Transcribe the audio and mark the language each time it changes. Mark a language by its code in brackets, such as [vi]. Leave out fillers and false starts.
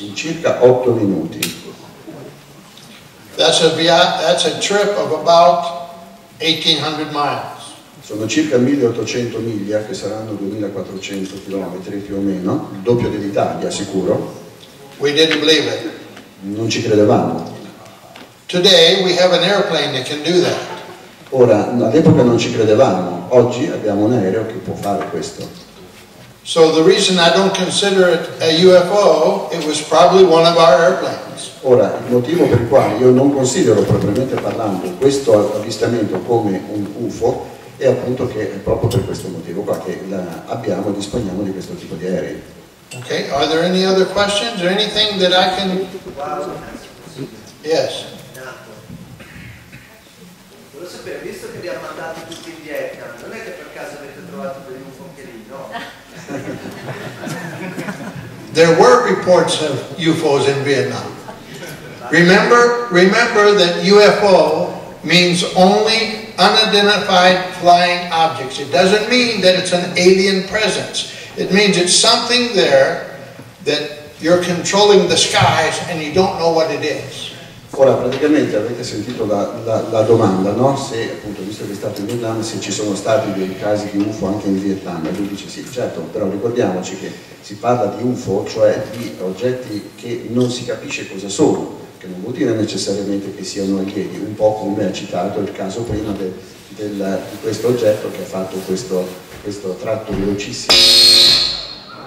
[it] In circa 8 minuti. [en] That's a trip of about 1800 miles. [it] Sono circa 1800 miglia, che saranno 2400 chilometri più o meno, il doppio dell'Italia, sicuro. [en] We didn't believe it. [it] Non ci credevamo. [en] Today we have an airplane that can do that. [it] Ora, all'epoca non ci credevamo. Oggi abbiamo un aereo che può fare questo. [en] So the reason I don't consider it a UFO, it was probably one of our airplanes. [it] Ora, il motivo per il quale io non considero, propriamente parlando, questo avvistamento come un UFO è appunto che è proprio per questo motivo qua che abbiamo e disponiamo di questo tipo di aerei. [en] Okay, are there any other questions or anything that I can... Yes. [it] Volevo sapere, visto che vi ha mandato tutti in diretta, non è che per caso avete trovato per un focherino? [en] There were reports of UFOs in Vietnam. Remember that UFO means only unidentified flying objects. It doesn't mean that it's an alien presence. It means it's something there that you're controlling the skies and you don't know what it is. [it] Ora praticamente avete sentito la domanda, no? Se appunto visto che è stato in Vietnam, se ci sono stati dei casi di UFO anche in Vietnam. E lui dice sì, certo, però ricordiamoci che si parla di UFO, cioè di oggetti che non si capisce cosa sono, che non vuol dire necessariamente che siano alieni, un po' come ha citato il caso prima di questo oggetto che ha fatto questo tratto velocissimo.